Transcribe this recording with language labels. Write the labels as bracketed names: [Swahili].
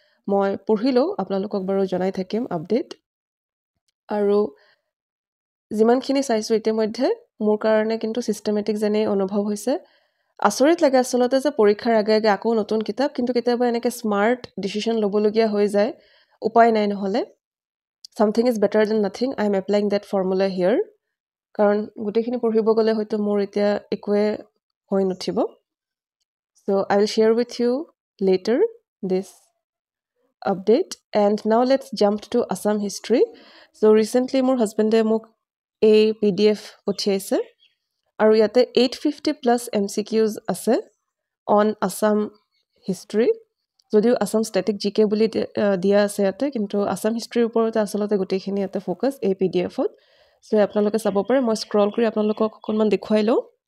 [Assamese] মই পঢ়িলোঁ, আপোনালোকক বাৰু জনাই থাকিম আপডেট। আৰু যিমানখিনি চাইছোঁ ইতিমধ্যে মোৰ কাৰণে কিন্তু ছিষ্টেমেটিক যেনেই অনুভৱ হৈছে। আচৰিত লাগে আচলতে যে পৰীক্ষাৰ আগে আগে আকৌ নতুন কিতাপ, কিন্তু কেতিয়াবা এনেকৈ স্মাৰ্ট ডিচিশ্যন ল'বলগীয়া হৈ যায়, উপায় নাই নহ'লে। [English] Something is better than nothing. I am applying that formula here. [Assamese] কাৰণ গোটেইখিনি পঢ়িব গ'লে হয়তো মোৰ এতিয়া একোৱে হৈ নুঠিব। [English] So I will share with you later this update. And now let's jump to Assam history. So recently [Assamese] মোৰ হাজবেণ্ডে মোক এই PDF পঠিয়াইছে, আৰু ইয়াতে 850+ MCQs আছে [English] on Assam history. [Assamese] যদিও আসাম ষ্টেটিক জি কে বুলি দিয়া আছে ইয়াতে, কিন্তু আসাম হিষ্ট্ৰীৰ ওপৰতে আচলতে গোটেইখিনি ইয়াতে ফ'কাছ এই PDFত। চ' আপোনালোকে চাব পাৰে। মই স্ক্ৰল কৰি আপোনালোকক অকণমান দেখুৱাই লওঁ।